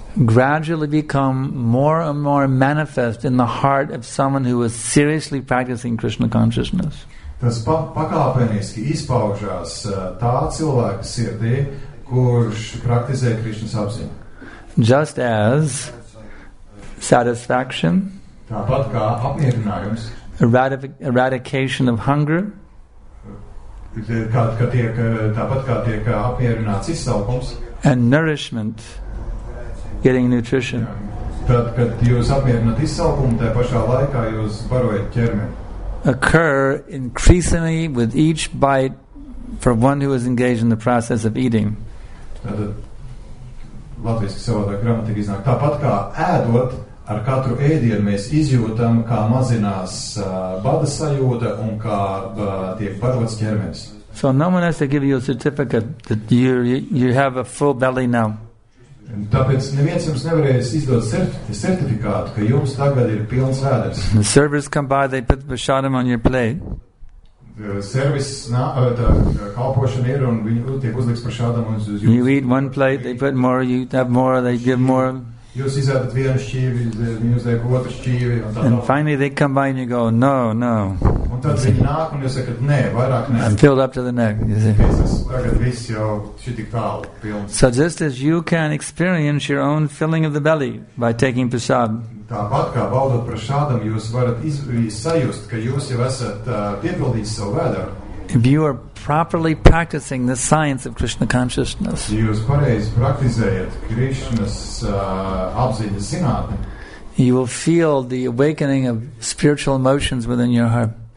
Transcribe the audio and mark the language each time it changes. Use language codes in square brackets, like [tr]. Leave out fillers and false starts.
[en] Gradually become more and more manifest in the heart of someone who is seriously practicing Krishna consciousness. [lv] Tas pakāpeniski izpaužās tā cilvēka sirdī, kurš praktizē Krišnas apziņu. [en] Just as satisfaction, [lv] tāpat kā apmierinājums, [en] eradication of hunger, [lv] tāpat kā tiek apmierināts izsalkums, [en] and nourishment, getting nutrition. [lv] Tad, kad jūs apmierinat izsaukumu, tajā pašā laikā jūs barojat ķermeni. [en] Occur increasingly with each bite for one who is engaged in the process of eating. [lv] Tad latviski savādā gramatika iznāk. Tāpat kā ēdot, ar katru ēdienu mēs izjūtam, kā mazinās bada sajūta un kā tiek barots ķermenis. [en] So no one has to give you a certificate that you have a full belly now. [lv] Tāpēc neviens jums nevarēs izdot certifikātu, ka jums tagad ir pilns vēders. [en] The servers come by, they put prasadam on your plate. [lv] Kalpošana ir, un viņi tiek uzliks prasadam uz jūsu. [en] You eat one plate, they put more, you have more, they give more. [lv] Jūs izēdat vienu šķīvi, viņi uzliek otru šķīvi. [en] And finally they come by and you go, no. [lv] Un tad viņi nāk, un jūs sakat, nē, vairāk nē. [en] I'm filled up to the neck. [lv] Tagad viss jau šitik tālu pilns. [en] So just as you can experience your own filling of the belly by taking prasad. [lv] Tāpat kā baudot prasādam, jūs varat sajust, ka jūs jau esat piepildījis savu vēderu. [en] If you are properly practicing the science of Krishna consciousness, you will feel the awakening of spiritual emotions within your heart.